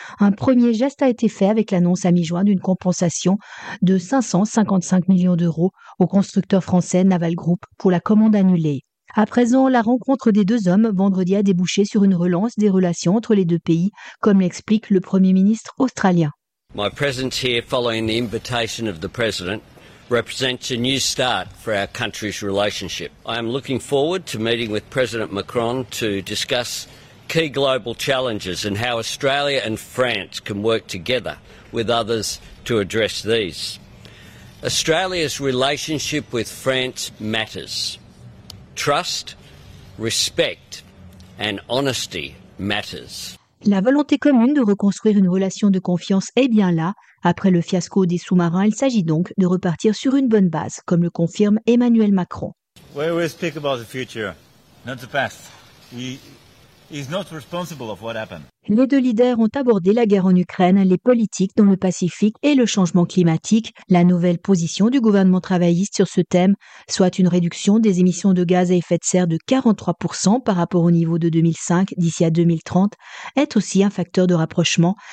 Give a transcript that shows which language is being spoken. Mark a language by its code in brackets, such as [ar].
[fr] Un premier geste a été fait avec l'annonce à mi-juin d'une compensation de 555 millions d'euros au constructeur français Naval Group pour la commande annulée. À présent, la rencontre des deux hommes vendredi a débouché sur une relance des relations entre les deux pays, comme l'explique le Premier ministre australien. [en] My presence here following the invitation of the President represents a new start for our country's relationship. I am looking forward to meeting with President Macron to discuss key global challenges and how Australia and France can work together with others to address these. Australia's relationship with France matters. Trust, respect and honesty matters. [fr] La volonté commune de reconstruire une relation de confiance est bien là. Après le fiasco des sous-marins, il s'agit donc de repartir sur une bonne base, comme le confirme Emmanuel Macron. [en] Where we speak about the future, not the past. He's not responsible of what happened. [fr] Les deux leaders ont abordé la guerre en Ukraine, les politiques dans le Pacifique et le changement climatique. La nouvelle position du gouvernement travailliste sur ce thème, soit une réduction des émissions de gaz à effet de serre de 43% par rapport au niveau de 2005 d'ici à 2030, est aussi un facteur de rapprochement.